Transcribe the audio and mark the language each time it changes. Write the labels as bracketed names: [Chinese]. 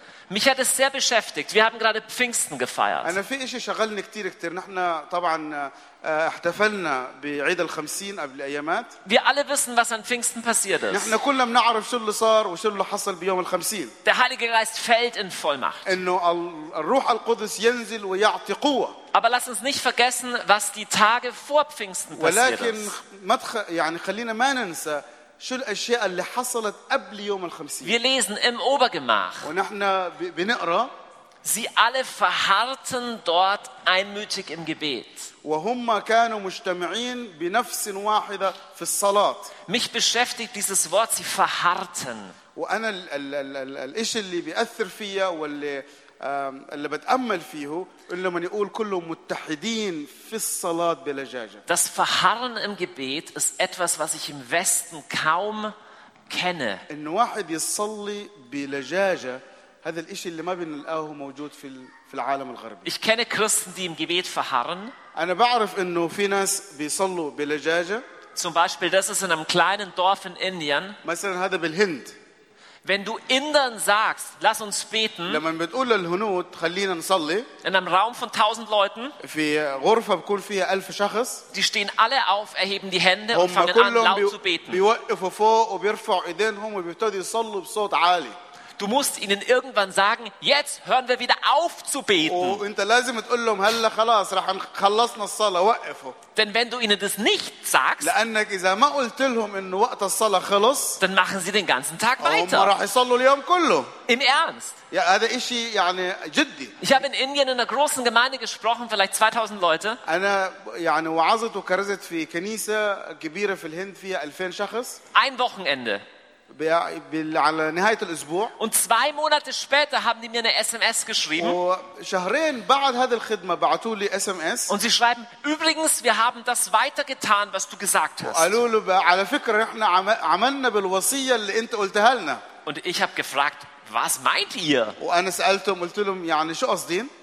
[German] Mich hat es sehr beschäftigt. Wir haben gerade Pfingsten gefeiert. [Arabic] أنا في إشي شغلني كتير كتير. نحنا طبعاً احتفلنا بعيد الخمسين قبل أيامات. [German] Wir alle wissen, was an Pfingsten passiert ist. [Arabic] نحنا كلنا بنعرف شو اللي صار وشو اللي حصل بيوم الخمسين. [German] Der Heilige Geist fällt in Vollmacht. [Arabic] إنه الروح القدس ينزل ويعطي قوة. [German] Aber lass uns nicht vergessen, was die Tage vor Pfingsten passiert ist. [Arabic] يعني خلينا ما ننسى. شو الأشياء اللي حصلت قبل يوم الخمسين؟ [German] Wir lesen im Obergemach. [Arabic] ونحن بنقرا. [German] Sie alle verharrten dort einmütig im Gebet. [Arabic] وهم كانوا مجتمعين بنفس واحدة في الصلاة. [German] Mich beschäftigt dieses Wort, sie verharrten. [Arabic] وأنا الإشي اللي بيأثر فيها واللي بتأمل فيه إنه من يقول كلهم متحدين في الصلاة بلجاجة. [German] Das Verharren im Gebet ist etwas, was ich im Westen kaum kenne. [Arabic] إنه واحد يصلي بلجاجة هذا الإشي اللي ما بنلاقاه موجود في العالم الغربي. [German] Ich kenne Christen, die im Gebet verharren. [Arabic] أنا بعرف إنه في ناس بيصلوا بلجاجة. [German] Zum Beispiel, das ist in einem kleinen Dorf in Indien. [Arabic] مثلاً هذا بالهند. [German] Wenn du Indern sagst, lass uns beten, [Arabic] لمن بتقول للهنود خلينا نصلي, [German] in einem Raum von 1000 Leuten, [Arabic] في غرفة بكون فيها 1000 شخص, [German] die stehen alle auf, erheben die Hände und fangen an laut zu beten. [Arabic] بيوقفوا فوق وبيرفعوا ايدينهم وبيبتدوا يصلوا بصوت عالي. [German] Du musst ihnen irgendwann sagen, jetzt hören wir wieder auf zu beten. [Arabic] وانت لازم تقول لهم هلا خلاص رح نخلصنا الصلاة وقفوا. [German] Denn wenn du ihnen das nicht sagst, [Arabic] لأنك إذا ما قلت لهم إنه وقت الصلاة خلص, [German] dann machen sie den ganzen Tag weiter. [Arabic] وما رح يصلوا اليوم كله. [German] Im Ernst. Ja, [Arabic] هذا إشي يعني جدي. [German] Ich habe in Indien in einer großen Gemeinde gesprochen, vielleicht 2000 Leute. [Arabic] أنا يعني وعظت وكرزت في كنيسة كبيرة في الهند فيها 2000 شخص. [German] Ein Wochenende. [Arabic] على نهاية الأسبوع. [German] Und zwei Monate später haben die mir eine SMS geschrieben. [Arabic] وشهرين بعد هذه الخدمة بعثوا لي SMS. [German] Und sie schreiben: Übrigens, wir haben das weitergetan, was du gesagt hast. [Arabic] قالوا له على فكرة إحنا عملنا بالوصية اللي أنت قلتها لنا. [German] Und ich habe gefragt: Was meint ihr? [Arabic] وأنا سألتهم قلت لهم يعني شو قصدين؟